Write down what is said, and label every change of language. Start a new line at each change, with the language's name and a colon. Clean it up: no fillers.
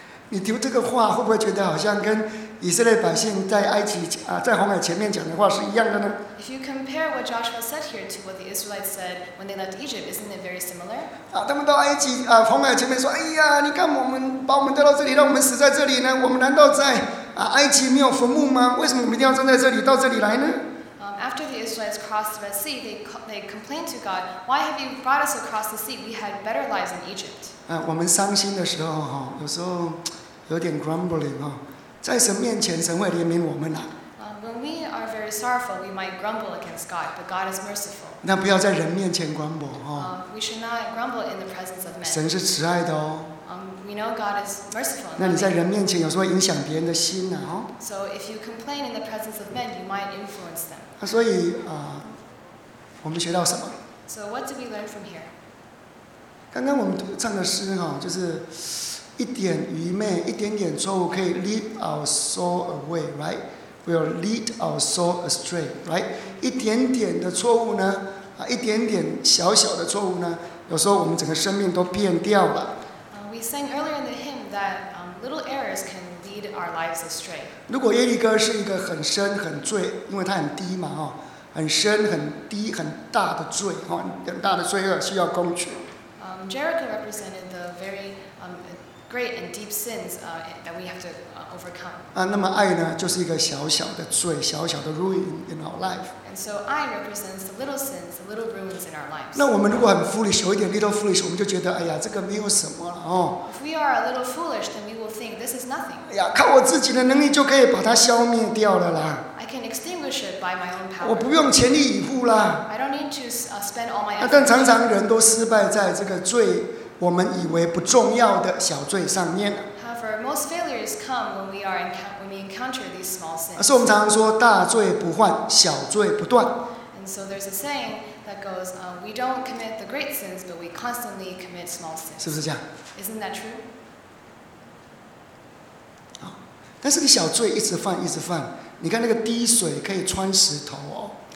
Chinese: 你读这个话，会不会觉得好像跟以色列百姓在埃及在红海前面讲的话是一样的呢？
English: If you compare what Joshua said here to what the Israelites said when they left Egypt, isn't it very similar?
Chinese: 他们到埃及红海前面说，哎呀，你看我们把我们带到这里，让我们死在这里呢？我们难道在埃及没有坟墓吗？为什么我们一定要站在这里到这里来呢？
English: After the Israelites crossed the Red Sea, they complained to God, "Why have you brought us across the sea? We had better lives in Egypt."
Chinese: 我们伤心的时候哈，有时候有点 grumbling 哈，在神面前，神会怜悯我们呐。
English: When we are very sorrowful, we might grumble against God, but God is merciful.
Chinese: 那不要在人面前 grumble 哈。
English: We should not grumble in the presence of men.
Chinese: 神是慈爱的哦。
English: We know God is merciful.
Chinese: 那你在人面前有时候影响别人的心呐哈。
English: So if you complain in the presence of men, you might influence them.
Chinese: 所以我们学到什么
English: ？So what did we learn from here?
Chinese: 刚刚我们唱的诗哈，就是一点愚昧，一点点错误可以
English: lead our soul away, right? Will lead our soul astray, right?
Chinese: 一点点的错误呢，一点点小小的错误呢，有时候我们整个生命都变掉了。
English: We sang earlier in the hymn that little errors can lead our lives astray.
Chinese: 如果耶利哥是一个很深很罪，因为它很低嘛，很深很低很大的罪，很大的罪恶需要攻取。
English: Jericho represented the very great and deep sins that we have to overcome.
Chinese: 啊，那么爱呢，就是一个小小的罪，小小的
English: ruin in our life. And so, 爱 represents the little sins, the little ruins in our lives.
Chinese: 那我们如果很 foolish， 有一点
English: little foolish，
Chinese: 我们就觉得，哎呀，这个没有什么了哦。
English: If we are a little foolish, then we will think this is nothing.
Chinese: 哎呀，靠我自己的能力就可以把它消灭掉了啦。
English: I can extinguish it by my own power.
Chinese: 我不用全力以赴啦。
English: I don't need to spend all my.
Chinese: 啊，但常常人都失败在这个罪。我们以为不重要的小罪上面。
English: However, most failures come when we are when we encounter these small sins.
Chinese: 而是我们常常说大罪不犯，小罪不断。
English: And so there's a saying that goes, we don't commit the great sins, but we constantly commit small sins.
Chinese: 是不是这样
English: ？Isn't that true?
Chinese: 啊，但是你小罪一直犯，一直犯，你看那个滴水可以穿石头哦。